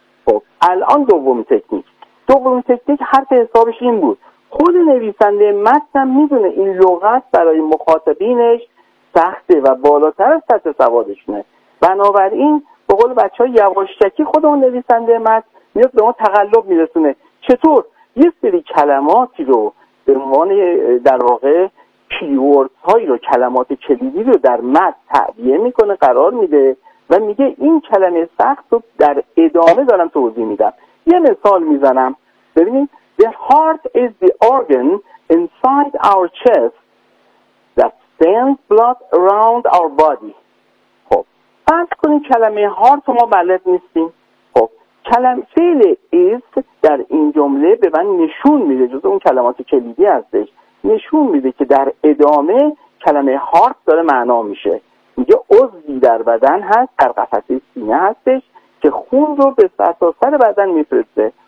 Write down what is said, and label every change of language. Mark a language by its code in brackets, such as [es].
[fa] خب الان دومی تکنیک حرف حسابش این بود خود نویسنده متن میدونه این لغت برای مخاطبینش سخته و بالاتر از سطح سوادشونه، بنابراین به قول بچه ها یواشکی خودمون نویسنده متن میاد به ما تقلب میرسونه. چطور؟ یه سری کلماتی رو به عنوان در واقع کیوردز هایی رو، کلمات کلیدی رو در متن تعبیه میکنه، قرار میده و میگه این کلمه سخت رو در ادامه دارم توضیح میدم. یه مثال میزنم ببینید. [en] The heart is the organ inside our chest that sends blood around our body. [fa] خب فرض کنید کلمه heart ما بلد نیستیم. خب کلمه فعل is در این جمله به من نشون میده، جز اون کلمات کلیدی هستش، نشون میده که در ادامه کلمه heart داره معنا میشه. یه عضوی در بدن هست، در قفسه سینه هستش که خون رو به سراسر بدن میفرسته.